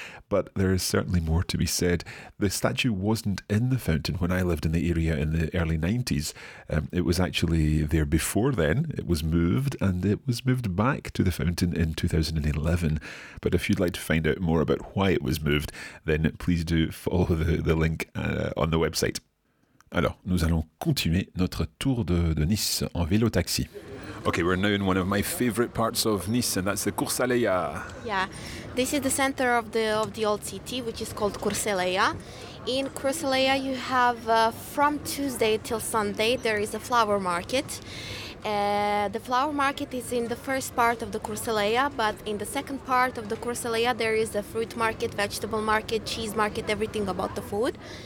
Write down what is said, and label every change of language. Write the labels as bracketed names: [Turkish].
[English] But there is certainly more to be said. The statue wasn't in the fountain when I lived in the area in the early 90s. It was actually there before then. It was moved, and it was moved back to the fountain in 2011. But if you'd like to find out more about why it was moved, then please do follow the link on the website. [French] Alors, nous allons continuer notre tour de Nice en vélo-taxi. [English] Okay, we're now in one of my favorite parts of Nice, and that's the Corsaleia. Yeah, this is the center of the old city, which is called Corsaleia. In Corsaleia, you have from Tuesday till Sunday, there is a flower market. The flower market is in the first part of the Corsaleia, but in the second part of the Corsaleia, there is a fruit market, vegetable market, cheese market, everything about the food.